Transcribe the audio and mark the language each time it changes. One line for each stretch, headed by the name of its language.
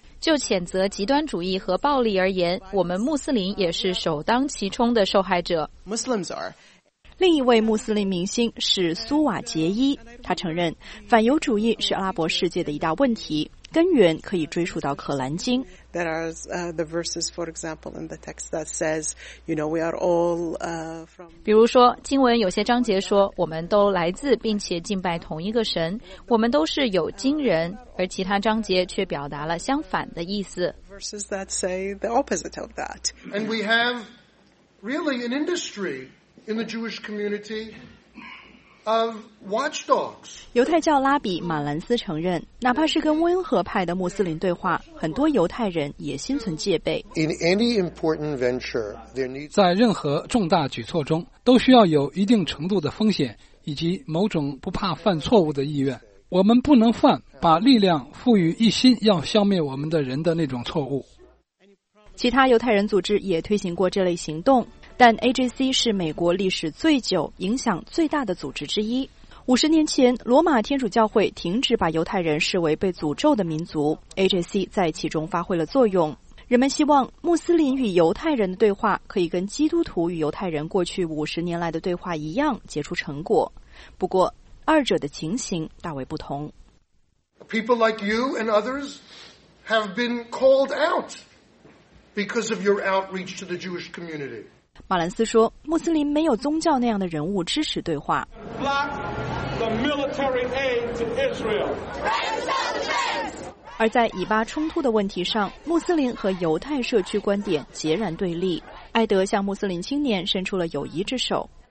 Chinese: 就谴责极端主义和暴力而言，我们穆斯林也是首当其冲的受害者。
English: Muslims are.
Chinese: 另一位穆斯林明星是苏瓦杰伊，他承认反犹主义是阿拉伯世界的一大问题，根源可以追溯到《可兰经》。
English: There are the verses, for example, in the text that says, you know, we are all from.
Chinese: 比如说，经文有些章节说，我们都来自并且敬拜同一个神，我们都是有经人，而其他章节却表达了相反的意思。
English: Verses that say the opposite of that. And we have really an industry in the Jewish community.
Chinese: 犹太教拉比马兰斯承认，哪怕是跟温和派的穆斯林对话，很多犹太人也心存戒备。在任何重大举措中，都需要有一定程度的风险，以及某种不怕犯错误的意愿。我们不能犯把力量赋予一心要消灭我们的人的那种错误。其他犹太人组织也推行过这类行动。但 AJC 是美国历史最久、影响最大的组织之一。 50年前，罗马天主教会停止把犹太人视为被诅咒的民族 ，AJC 在其中发挥了作用。人们希望穆斯林与犹太人的对话可以跟基督徒与犹太人过去50年来的对话一样结出成果。不过，二者的情形大为不同。
English: People like you and others have been called out because of your outreach to the Jewish community.
Chinese: 马兰斯说，穆斯林没有宗教那样的人物支持对话。而在以巴冲突的问题上，穆斯林和犹太社区观点截然对立。艾德向穆斯林青年伸出了友谊之手。